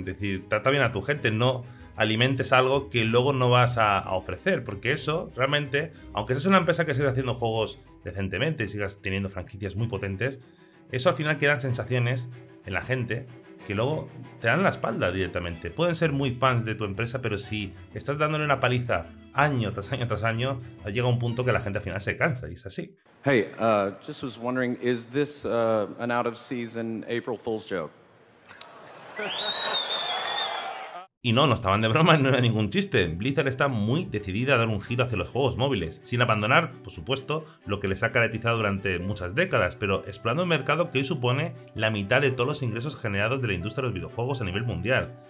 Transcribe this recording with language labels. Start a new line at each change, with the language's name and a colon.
Spanish: Es decir, trata bien a tu gente, no alimentes algo que luego no vas a ofrecer, porque eso realmente, aunque seas una empresa que siga haciendo juegos decentemente y sigas teniendo franquicias muy potentes, eso al final quedan sensaciones en la gente que luego te dan la espalda directamente. Pueden ser muy fans de tu empresa, pero si estás dándole una paliza año tras año tras año, llega un punto que la gente al final se cansa, y es así.
English: Hey, just was wondering, is this an out of season April Fool's joke?
Spanish: Y no, no estaban de broma, no era ningún chiste. Blizzard está muy decidida a dar un giro hacia los juegos móviles, sin abandonar, por supuesto, lo que les ha caracterizado durante muchas décadas, pero explorando un mercado que hoy supone la mitad de todos los ingresos generados de la industria de los videojuegos a nivel mundial.